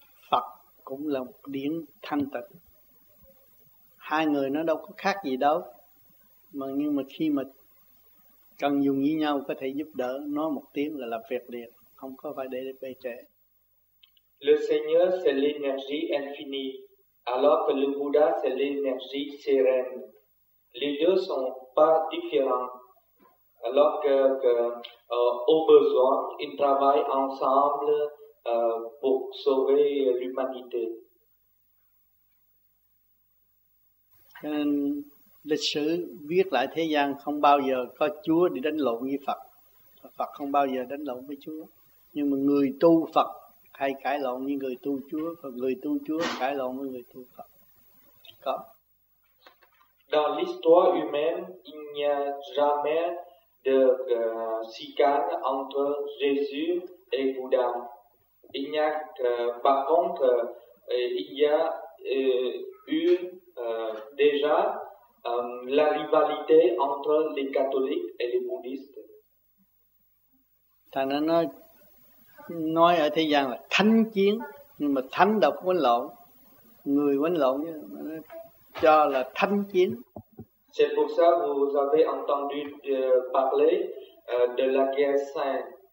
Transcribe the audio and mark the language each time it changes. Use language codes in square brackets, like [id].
[vi] Phật cũng là một điển thanh tịnh. Hai người nó đâu có khác gì đâu. Mà nhưng mà khi mà cần dùng với nhau có thể giúp đỡ, nói một tiếng là làm việc liền, không có phải để bê trễ. [fr] Le Seigneur c'est l'énergie infinie, alors que le Bouddha c'est l'énergie sereine. Les deux sont pas différents. Alors que au besoin, ils travaillent ensemble pour sauver l'humanité. [vi] Cho nên lịch sử viết lại thế gian không bao giờ có Chúa đi đánh lộn với Phật. Phật không bao giờ đánh lộn với Chúa. Nhưng mà người tu Phật hay cãi lộn với người tu Chúa, và người tu Chúa cãi lộn với người tu Phật. Có. [fr] Dans l'histoire humaine, il n'y a jamais de chicane entre Jésus et Bouddha. Il n'y a par contre, il y a eu déjà la rivalité entre les catholiques et les bouddhistes. [vi] Thầy nó nói ở thế gian là thánh chiến, nhưng mà thánh đâu có quấn lộn, người quấn lộn cho là thánh chiến. [fr] C'est pour ça que vous avez entendu parler de la guerre sainte.